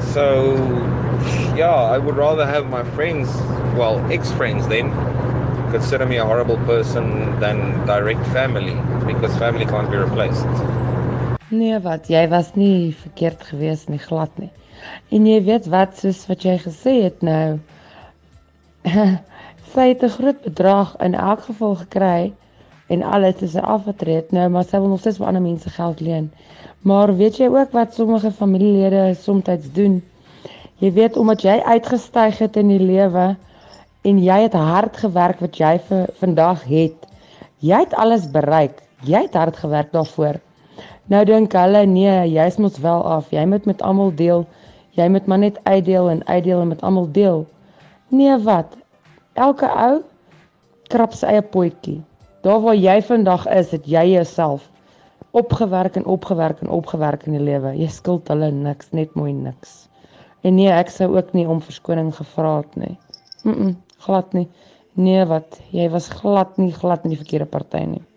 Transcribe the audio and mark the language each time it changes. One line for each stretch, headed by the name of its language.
English: So, yeah, I would rather have my friends, well, ex-friends then, consider me a horrible person than direct family, because family can't be replaced.
Afrikaans: Nee, wat, jy was nie verkeerd gewees nie, glad nie. En jy weet wat, soos wat jy gesê het nou, sy het 'n groot bedrag in elk geval gekry, en alles is sy afgetreed, nou, maar sy wil nog steeds van ander mense geld leen. Maar weet jy ook wat sommige familielede somtijds doen? Jy weet, omdat jy uitgestyg het in die lewe, en jy het hard gewerk wat jy vandag het, jy het alles bereik, jy het hard gewerk daarvoor. Nou denk hulle, nee, jy is mos wel af, jy moet met allemaal deel, jy moet maar net uitdeel en uitdeel en met allemaal deel. Nee, wat? Elke ou krap sy eie poekie. Daar waar jy vandag is, het jy jouself opgewerk en opgewerk en opgewerk in die lewe. Jy skuld hulle niks, net mooi niks. En nee, ek sou ook nie om verskoning gevra het nie. Glad nie. Nee, wat, jy was glad nie die verkeerde party nie.